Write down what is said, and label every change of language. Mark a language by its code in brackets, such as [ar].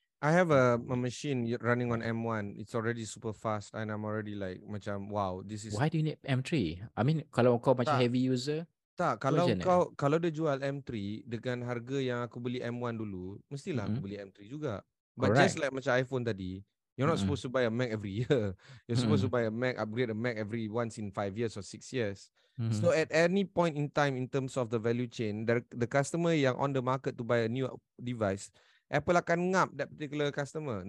[en] I have a machine running on M1. It's already super fast and I'm already like macam wow, this is... Why do you need M3? I mean, [ms] kalau kau macam tak, [en] heavy user. [ms] Tak, kalau kau kalau dia jual M3 dengan harga yang aku beli M1 dulu, mestilah aku beli M3 juga. [en] But correct. Just like macam iPhone tadi, you're not supposed to buy a Mac every year. You're supposed to buy a Mac, upgrade a Mac every once in 5 years or 6 years. So at any point in time in terms of the value chain, the customer yang on the market to buy a new device, Apple [ms] akan ngap [en] that particular customer.